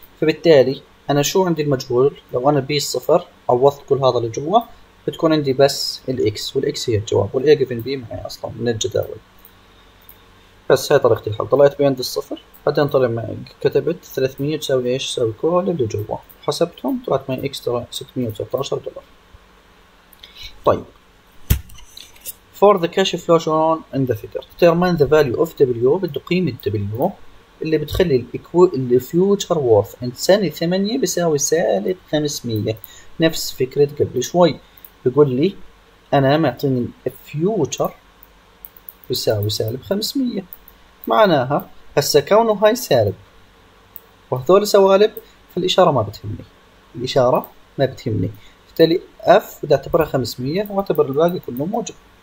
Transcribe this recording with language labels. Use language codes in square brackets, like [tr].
[ar] فبالتالي أنا شو عندي المجهول؟ لو أنا B الصفر عوضت كل هذا اللي جوا، بتكون عندي بس الـ X، والـ X هي الجواب، والـ A given B معي أصلا من الجداول. بس هاي طريقة الحل، طلعت B عند الصفر، بعدين طلع معي كتبت 300 تساوي إيش؟ تساوي كل اللي جوا، حسبتهم طلعت معي X 619 دولار. [en] طيب for the cash flow shown in the figure determine the value of W، [ar] بده قيمة W اللي بتخلي الـ future worth عند سنة 8 بيساوي سالب 500. نفس فكرة قبل شوي، بيقول لي أنا معطيني future بيساوي سالب 500، معناها هسا كونه هاي سالب وهذول سوالب، فالإشارة ما بتهمني، الإشارة ما بتهمني، بالتالي F بدي أعتبرها 500 وأعتبر الباقي كله موجب.